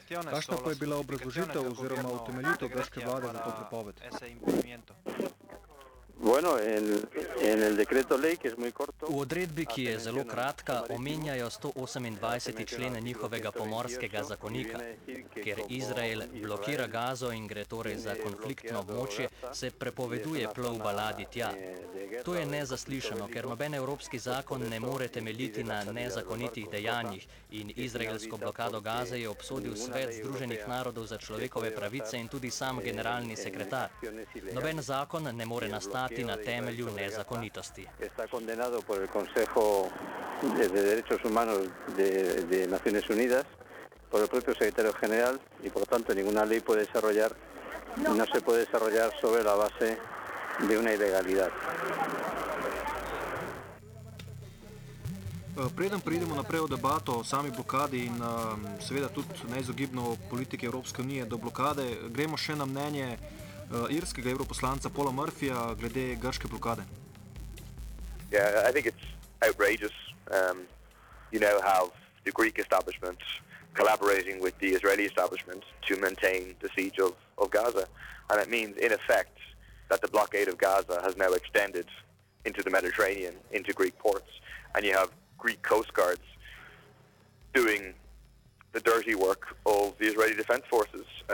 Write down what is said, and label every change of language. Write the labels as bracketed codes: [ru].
[sl] Kakšna pa je bila obrazložitev oziroma utemeljitev grške vlade za to prepoved? [es] Bueno, en el decreto ley, que es muy corto, [sl] v odredbi, ki je zelo kratka, omenjajo 128. člene njihovega pomorskega zakonika. Ker Izrael blokira Gazo in gre torej za konfliktno območje, se prepoveduje plovba ladji tja. To je nezaslišano, ker noben evropski zakon ne more temeljiti na nezakonitih dejanjih in izraelsko blokado Gaze je obsodil Svet Združenih narodov za človekove pravice in tudi sam generalni sekretar. Noben zakon ne more nastati na temelju nezakonitosti. [es] Está condenado por el Consejo de Derechos Humanos de Naciones Unidas por el propio secretario general y por tanto ninguna ley puede desarrollar no se puede desarrollar sobre la base de una ilegalidad. [sl] Preden pridemo naprej v debato o sami blokadi in seveda tudi neizogibno politike Evropske unije do blokade, gremo še na mnenje irskega evroposlanca Paula Murphyja glede grške blokade. [en] Yeah, I think it's outrageous. You know how the Greek establishment collaborating with the Israeli establishment to maintain the siege of Gaza, and it means in effect that the blockade of Gaza has now extended into the Mediterranean, into Greek ports, and you have Greek coast guards doing the dirty work of the Israeli defense forces.